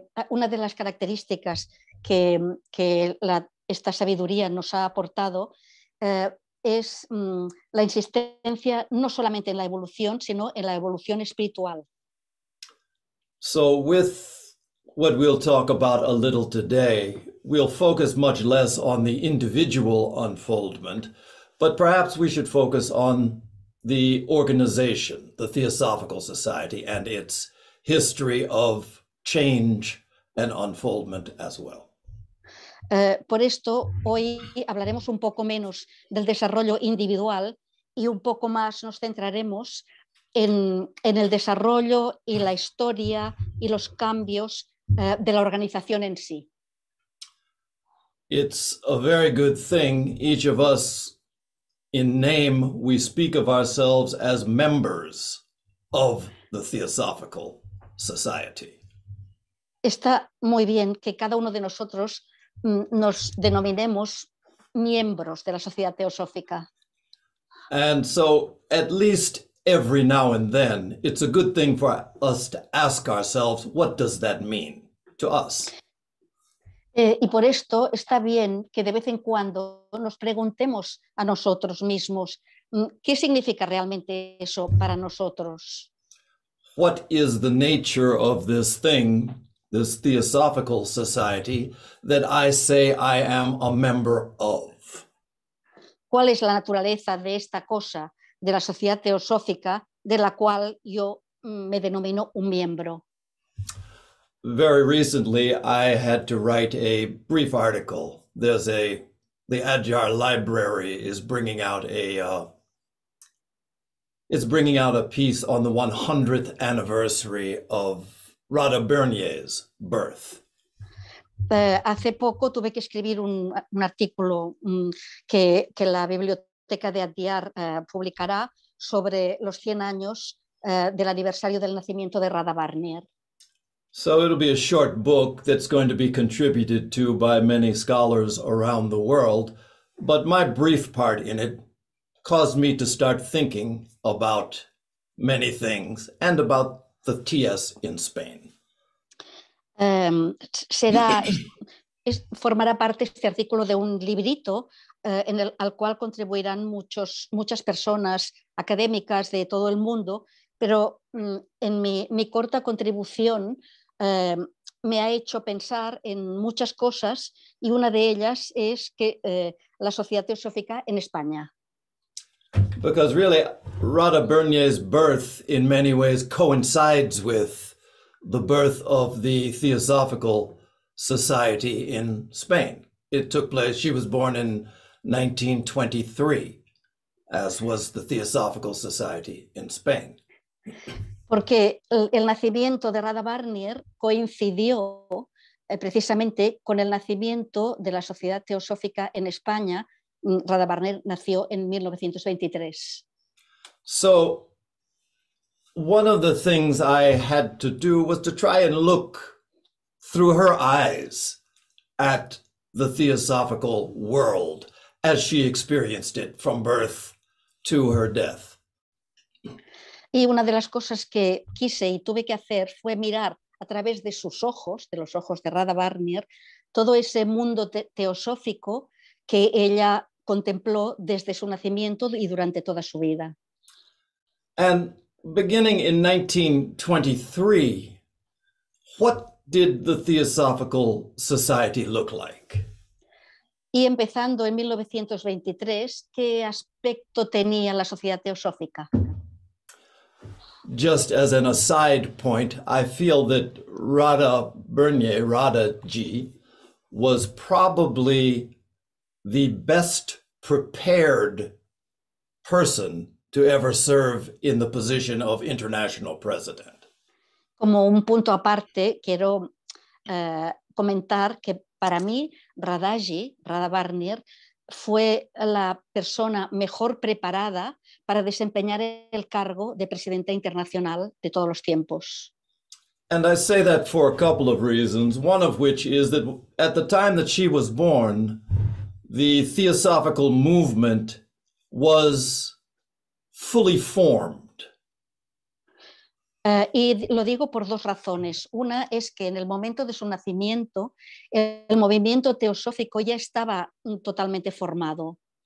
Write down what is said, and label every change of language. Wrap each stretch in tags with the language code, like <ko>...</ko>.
<es>Una de las características que esta sabiduría nos ha aportado es la insistencia no solamente en la evolución, sino en la evolución espiritual.</es> <en>So with what we'll talk about a little today, we'll focus much less on the individual unfoldment, but perhaps we should focus on the organization, the Theosophical Society, and its history of change and unfoldment as well.</en> <es>Por esto, hoy hablaremos un poco menos del desarrollo individual y un poco más nos centraremos en el desarrollo y la historia y los cambios de la organización en sí.</es> <en>It's a very good thing. Each of us, in name, we speak of ourselves as members of the Theosophical Society.</en> <es>Está muy bien que cada uno de nosotros nos denominemos miembros de la Sociedad Teosófica.</es> <en>And so, at least every now and then, it's a good thing for us to ask ourselves, what does that mean to us?</en> <es>Y por esto está bien que de vez en cuando nos preguntemos a nosotros mismos, ¿qué significa realmente eso para nosotros?</es> <en>What is the nature of this thing, this Theosophical Society, that I say I am a member of?</en> <es>¿Cuál es la naturaleza de esta cosa, de la Sociedad Teosófica, de la cual yo me denomino un miembro?</es> <en>Very recently, I had to write a brief article. The Adyar Library is bringing out a piece on the 100th anniversary of Rada Bernier's birth.</en> <es>Hace poco tuve que escribir un artículo que la biblioteca de Adyar publicará sobre los 100 años del aniversario del nacimiento de Rada Bernier.</es> <en>So it'll be a short book that's going to be contributed to by many scholars around the world, but my brief part in it caused me to start thinking about many things and about the TS in Spain.</en> <es>Será formará parte este artículo de un librito en el al cual contribuirán muchas personas académicas de todo el mundo, pero en mi corta contribución me ha hecho pensar en muchas cosas, y una de ellas es que la Sociedad Teosófica en España.</es> <en>Because really, Rada Bernier's birth in many ways coincides with the birth of the Theosophical Society in Spain. It took place, she was born in 1923, as was the Theosophical Society in Spain.</en> <es>Porque el nacimiento de Rada Bernier coincidió precisamente con el nacimiento de la Sociedad Teosófica en España. Rada Bernier nació en 1923.</es> <en>So, one of the things I had to do was to try and look through her eyes at the theosophical world as she experienced it from birth to her death.</en> <es>Y una de las cosas que quise y tuve que hacer fue mirar a través de sus ojos, de los ojos de Rada Bernier, todo ese mundo teosófico que ella contempló desde su nacimiento y durante toda su vida.</es> <en>And beginning in 1923, what did the Theosophical Society look like?</en> <es>Y empezando en 1923, ¿qué aspecto tenía la Sociedad Teosófica?</es> <en>Just as an aside point, I feel that Rada Bernier, Rada G, was probably the best prepared person to ever serve in the position of international president.</en> <es>Como un punto aparte, quiero comentar que para mí Rada Bernier fue la persona mejor preparada para desempeñar el cargo de presidenta internacional de todos los tiempos.</es> <en>And I say that for a couple of reasons, one of which is that at the time that she was born, the Theosophical movement was fully formed.</en> <es>Y lo digo por dos razones. Una es que en el momento de su nacimiento, el movimiento teosófico ya estaba totalmente formado.</es>